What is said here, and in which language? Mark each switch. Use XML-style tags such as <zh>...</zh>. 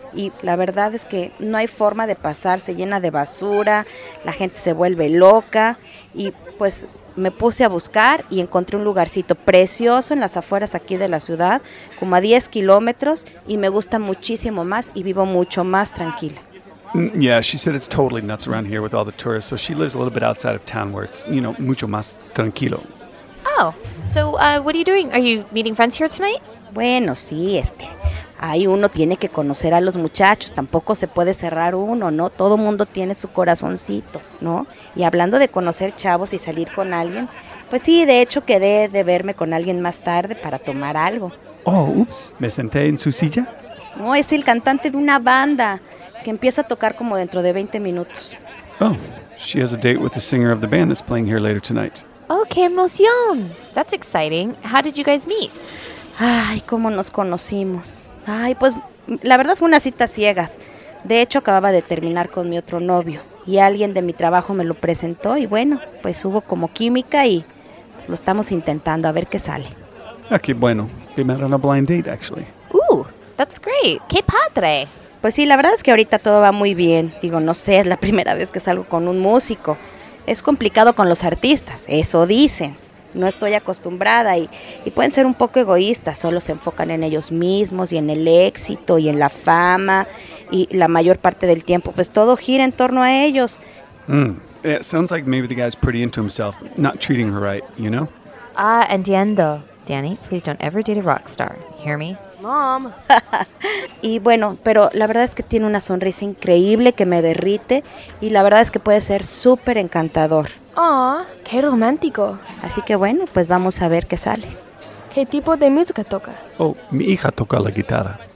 <es>Y la verdad es que no hay forma de pasar, se llena de basura, la gente se vuelve loca. Y pues me puse a buscar y encontré un lugarcito precioso en las afueras aquí de la ciudad, como a 10 kilómetros, y me gusta muchísimo más y vivo mucho más tranquila.</es> <en>Yeah, she said it's totally nuts around here with all the tourists, so she lives a little bit outside of town where it's, you know,</en> <es>mucho más tranquilo.</es> <en>Oh, so what are you doing? Are you meeting friends here tonight?</en> <es>Bueno, sí, ahí uno tiene que conocer a los muchachos, tampoco se puede cerrar uno, ¿no? Todo mundo tiene su corazoncito, ¿no? Y hablando de conocer chavos y salir con alguien, pues sí, de hecho quedé de verme con alguien más tarde para tomar algo. Oh, ups, ¿me senté en su silla? No, es el cantante de una banda que empieza a tocar como dentro de 20 minutos.</es> <en>Oh, she has a date with the singer of the band that's playing here later tonight. Oh,</en> <es>qué emoción.</es> <en>That's exciting. How did you guys meet?</en> <es>Ay, ¿cómo nos conocimos? Ay, pues, la verdad fue una cita ciegas. De hecho, acababa de terminar con mi otro novio. Y alguien de mi trabajo me lo presentó y bueno, pues hubo como química y lo estamos intentando a ver qué sale.</es> <en>Ah,</en> <es>qué bueno.</es> <en>We met on a blind date, actually. Ooh, that's great.</en> <es>¡Qué padre! Pues sí, la verdad es que ahorita todo va muy bien. Digo, no sé, es la primera vez que salgo con un músico. Es complicado con los artistas, eso dicen. No estoy acostumbrada y pueden ser un poco egoístas, solo se enfocan en ellos mismos y en el éxito y en la fama y la mayor parte del tiempo, pues todo gira en torno a ellos.</es> <en>It sounds like maybe the guy's pretty into himself, not treating her right, you know?</en> <es>Ah, entiendo.</es> <en>Danny, please don't ever date a rock star. Hear me? Mom!</en> <es>Y bueno, pero la verdad es que tiene una sonrisa increíble que me derrite y la verdad es que puede ser súper encantador. ¡Aw! ¡Qué romántico! Así que bueno, pues vamos a ver qué sale. ¿Qué tipo de música toca? Oh, mi hija toca la guitarra.</es>